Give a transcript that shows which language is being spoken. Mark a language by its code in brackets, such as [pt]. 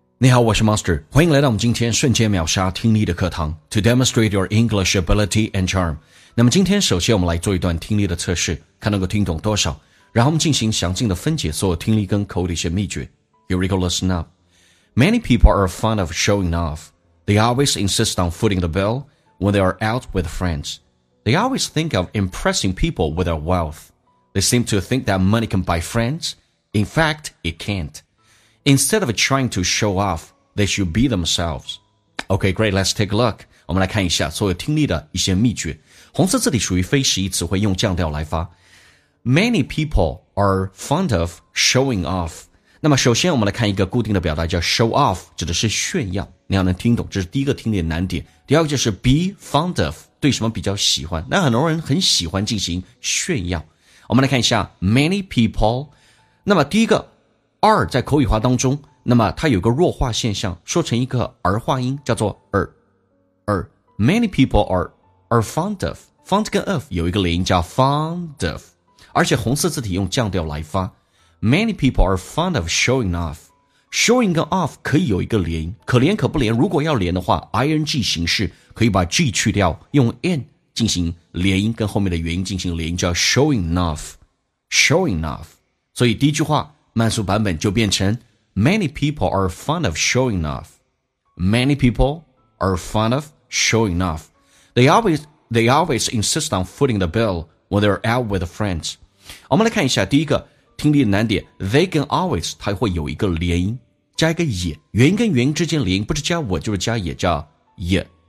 [zh] 你好，我是 Master， 欢迎来到我们今天瞬间秒杀听力的课堂 [en] To demonstrate your English ability and charm。 [zh] 那么今天首先我们来做一段听力的测试，看能够听懂多少，然后我们进行详尽的分解所有听力跟口的一些秘诀。 [en] Here we go, listen up. Many people are fond of showing off. They always insist on footing the bill when they are out with friends. They always think of impressing people with their wealth. They seem to think that money can buy friends. In fact, it can'tInstead of trying to show off, they should be themselves. Okay, great, let's take a look. [zh] 我们来看一下所有听力的一些秘诀。红色字体属于非实义词汇，用降调来发。 [en] Many people are fond of showing off. [zh] 那么首先我们来看一个固定的表达叫 show off, 指的是炫耀。你要能听懂，这是第一个听力的难点。第二个就是 be fond of, 对什么比较喜欢。那很多人很喜欢进行炫耀。我们来看一下 many people. 那么第一个二在口语化当中，那么它有个弱化现象，说成一个儿化音，叫做儿。 [en] Many people are fond of. [zh] Fond 跟 of 有一个连音叫 fond of. 而且红色字体用降调来发。 [en] Many people are fond of showing off. [zh] Showing 跟 off 可以有一个连音，可连可不连。如果要连的话 ,ing 形式可以把 g 去掉，用 n 进行连音，跟后面的元音进行连音，叫 showing off. [en] Showing off. [zh] 所以第一句话慢速版本就变成 [en] Many people are fond of showing off. Many people are fond of showing off. They always insist on footing the bill when they're out with friends. [zh] 我们来看一下第一个听力的难点， They 跟 always 它会有一个连音，加一个也，元音跟元音之间连音，不是加我就是加也，叫也。